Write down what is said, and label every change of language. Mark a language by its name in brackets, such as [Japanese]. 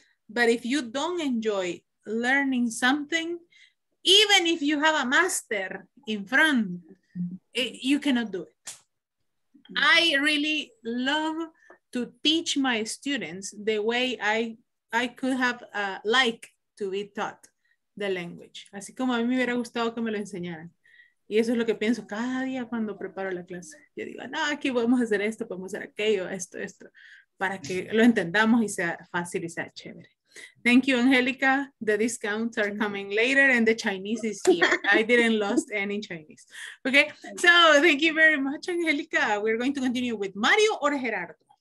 [English] But if you don't enjoy learning something, even if you have a master in front, you cannot do it. I really love to teach my students the way I could have liked to be taught the language. [Spanish] Así como a mí me hubiera gustado que me lo enseñaran. Y eso es lo que pienso cada día cuando preparo la clase. Yo digo, no, aquí podemos hacer esto, podemos hacer aquello, esto, esto, para que lo entendamos y sea fácil y sea chévere. [English] Thank you, Angelica. The discounts are coming later and the Chinese is here. I didn't lost any Chinese. Okay, so thank you very much, Angelica. We're going to continue with Mario or Gerardo?